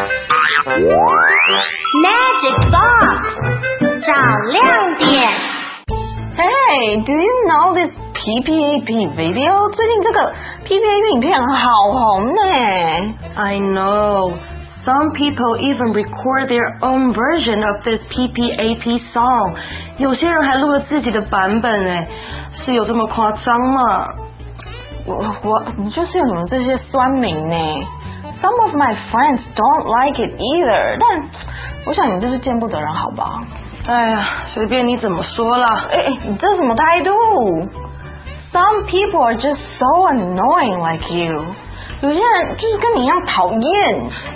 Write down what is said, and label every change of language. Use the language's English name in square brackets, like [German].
[Chinese] Magic box, 找亮点。 [English] Hey, do you know this PPAP video? [Chinese] 最近这个 PPAP 影片好红呢。 [English] I know. Some people even record their own version of this PPAP song. [Chinese] 有些人还录了自己的版本呢，是有这么夸张吗？我你就是有什么这些酸民呢 ？ [English] Some of my friends don't like it either. [Chinese] 但我想你就是见不得人，好吧？哎呀，随便你怎么说了。哎，你这什么态度 [English] ？Some people are just so annoying like you. [Chinese] 有些人就是跟你一样讨厌。